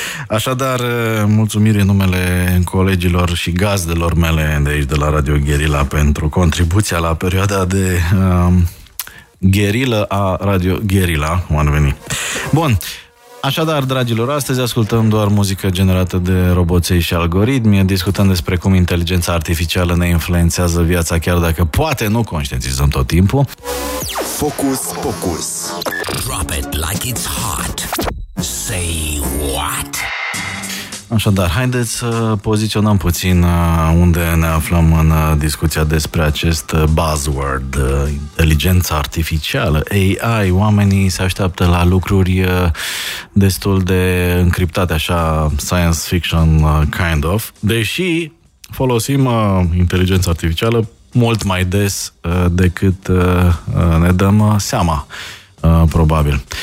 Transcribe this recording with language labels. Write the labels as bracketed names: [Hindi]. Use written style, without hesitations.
[Romanian] Așadar, mulțumiri în numele colegilor și gazdelor mele de aici, de la Radio Guerilla, pentru contribuția la perioada de guerilă a Radio Guerilla, cum ar veni. Bun. Așadar, dragilor, astăzi ascultăm doar muzică generată de roboții și algoritmi, discutăm despre cum inteligența artificială ne influențează viața, chiar dacă poate nu conștientizăm tot timpul. [English] Focus, focus. Drop it like it's hot. Say what? [Romanian] Așadar, haideți să poziționăm puțin unde ne aflăm în discuția despre acest buzzword, inteligența artificială, AI. Oamenii se așteaptă la lucruri destul de încriptate, așa, [English] science fiction kind of, [Romanian] deși folosim inteligența artificială mult mai des decât ne dăm seama. Probabil.